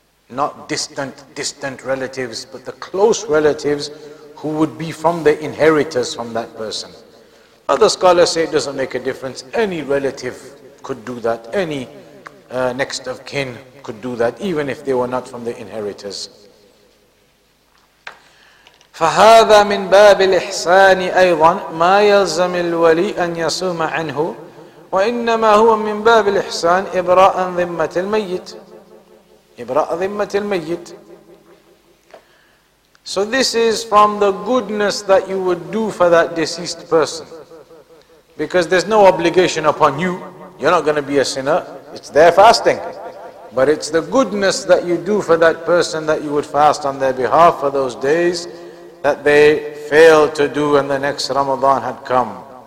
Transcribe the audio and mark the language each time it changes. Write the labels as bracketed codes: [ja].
[en] Not distant relatives, but the close relatives who would be from the inheritors from that person. Other scholars say it doesn't make a difference. Any relative could do that. Any next of kin could do that, even if they were not from the inheritors. [ar] فهذا من باب الإحسان أيضا ما يلزم الولي أن يصوم عنه وإنما هو من باب الإحسان إبراء ذمة الميت إبراء ذمة الميت. [en] So this is from the goodness that you would do for that deceased person. Because there's no obligation upon you. You're not going to be a sinner. It's their fasting. But it's the goodness that you do for that person that you would fast on their behalf for those days that they failed to do and the next Ramadan had come.